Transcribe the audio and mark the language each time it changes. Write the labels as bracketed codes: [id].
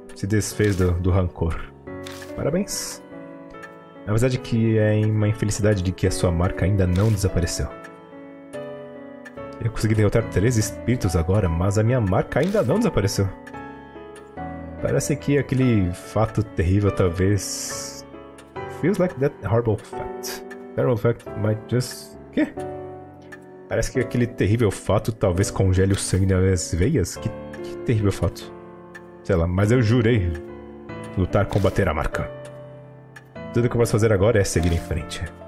[pt] Se desfez do rancor. Parabéns. Na verdade que é uma infelicidade de que a sua marca ainda não desapareceu. Eu consegui derrotar 3 espíritos agora, mas a minha marca ainda não desapareceu. Parece que aquele fato terrível talvez... [en] feels like that horrible fact. Terrible fact might just... quê? [pt] Parece que aquele terrível fato talvez congele o sangue nas minhas veias. Que terrível fato. Sei lá, mas eu jurei lutar, combater a marca. Tudo que eu posso fazer agora é seguir em frente.